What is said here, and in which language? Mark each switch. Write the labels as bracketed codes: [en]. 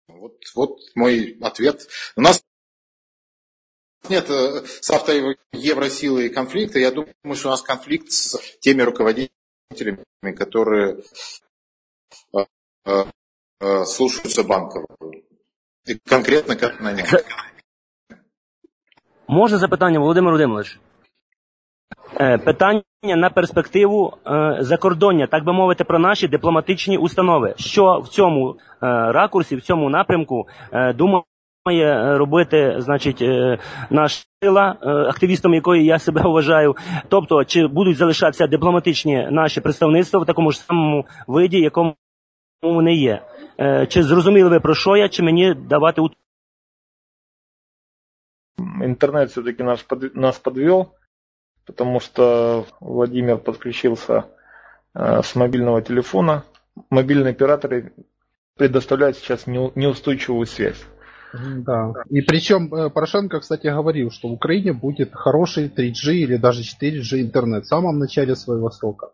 [ru] Вот мой ответ. У нас нет с автоевросилой конфликта. Я думаю, что у нас конфликт с теми руководителями, которые слушаются банков. И конкретно как на них. [uk] Можно запитання, Володимир Володимирович? Питання на перспективу закордоння, так би мовити, про наші дипломатичні установи. Що в цьому ракурсі, в цьому напрямку думає робити, значить, наша сила, активістом якої я себе вважаю? Тобто, чи будуть залишатися дипломатичні наші представництва в такому ж самому виді, якому вони є? Чи зрозуміли ви, про що я, чи мені давати Інтернет все-таки нас підвів. [ru] Потому что Владимир подключился с мобильного телефона. Мобильные операторы предоставляют сейчас неустойчивую связь. Да. И причем Порошенко, кстати, говорил, что в Украине будет хороший 3G или даже 4G интернет в самом начале своего срока.